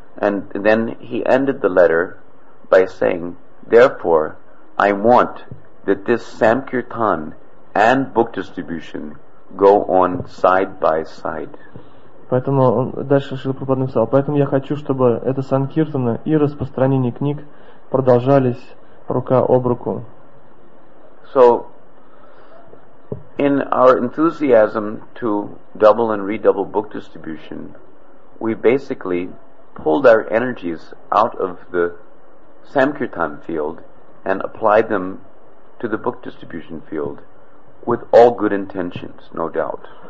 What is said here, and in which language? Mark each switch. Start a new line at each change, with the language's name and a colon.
English: And then he ended the letter by saying, therefore, I want that this Samkirtan and book distribution go on side by side.
Russian: Поэтому он дальше Шрила Прабхупада написал, поэтому я хочу, чтобы это санкиртана и распространение книг продолжались рука об руку.
English: So, in our enthusiasm to double and redouble book distribution, we basically pulled our energies out of the Samkirtan field and applied them to the book distribution field with all good intentions, no doubt.